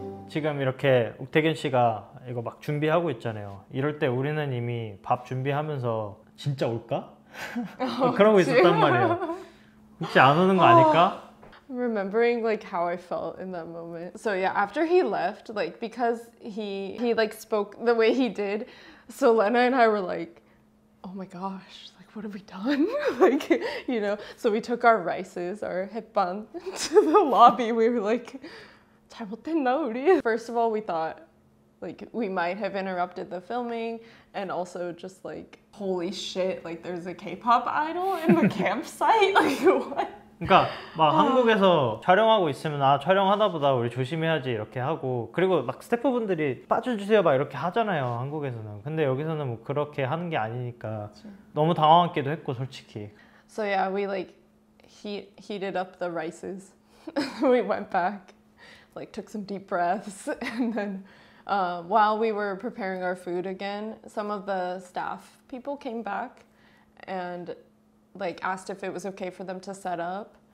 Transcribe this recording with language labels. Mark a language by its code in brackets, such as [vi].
[ko] 지금 이렇게 옥태균 씨가 이거 막 준비하고 있잖아요. 이럴 때 우리는 이미 밥 준비하면서 진짜 올까? 그러고 있었단 말이에요. 혹시 안 오는 거 아닐까? [en] Remembering like how I felt in that moment. So yeah, after he left, like because he like spoke the way he did, so Lena and I were like, oh my gosh, like, what have we done? Like, you know, so we took our rices, our 햇반, to the lobby. We were like, [ko] 잘못했나, 우리? [en] First of all, we thought, like, we might have interrupted the filming, and also just like, holy shit, like, there's a K-pop idol in the campsite? Like, what? [ko] 그러니까 막 한국에서 촬영하고 있으면 아 촬영하다 보다 우리 조심해야지 이렇게 하고 그리고 막 스태프분들이 빠져주세요 막 이렇게 하잖아요 한국에서는 근데 여기서는 뭐 그렇게 하는 게 아니니까 너무 당황했기도 했고 솔직히 [en] So yeah, we like heated up the rices. We went back, like took some deep breaths and then while we were preparing our food again some of the staff people came back and like asked if it was okay for them to set up.